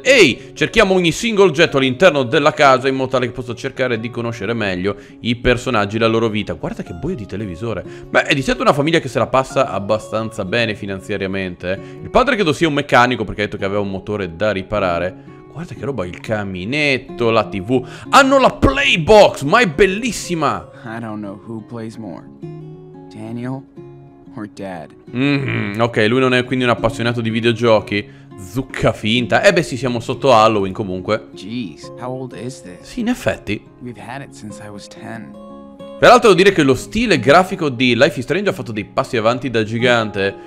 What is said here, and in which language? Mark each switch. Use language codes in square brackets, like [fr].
[it] Ehi, cerchiamo ogni singolo oggetto all'interno della casa in modo tale che posso cercare di conoscere meglio i personaggi e la loro vita. Guarda che buio di televisore. Beh, è di certo una famiglia che se la passa abbastanza bene finanziariamente, eh. Il padre credo sia un meccanico perché ha detto che aveva un motore da riparare. Guarda che roba, il caminetto, la TV. Hanno la Playbox, ma è bellissima. [en] I don't know who plays more, Daniel or Dad. [it] Ok, lui non è quindi un appassionato di videogiochi. Zucca finta. Eh beh sì, siamo sotto Halloween comunque. [en] Jeez, how old is this? [it] Sì, in effetti. [en] We've had it since I was 10. [it] Peraltro devo dire che lo stile grafico di Life is Strange ha fatto dei passi avanti da gigante.